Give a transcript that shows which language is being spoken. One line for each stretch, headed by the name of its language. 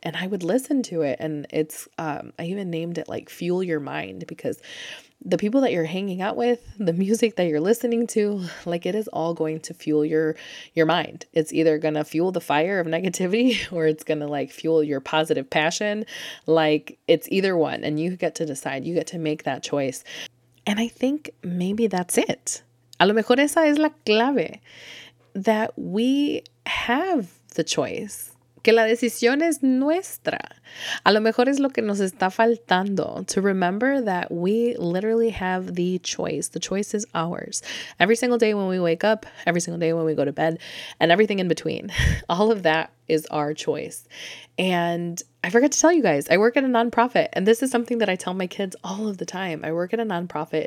English: And I would listen to it. And it's, I even named it like Fuel Your Mind, because the people that you're hanging out with, the music that you're listening to, like, it is all going to fuel your mind. It's either going to fuel the fire of negativity, or it's going to like fuel your positive passion. Like, it's either one, and you get to decide, you get to make that choice. And I think maybe that's it.
Spanish: A lo mejor esa es la clave,
English: that we have the choice
Spanish: Que la decisión es nuestra. A lo mejor es lo que nos está faltando.
English: To remember that we literally have the choice. The choice is ours. Every single day when we wake up, every single day when we go to bed, and everything in between. All of that is our choice. And I forgot to tell you guys, I work at a nonprofit. And this is something that I tell my kids all of the time. I work at a nonprofit.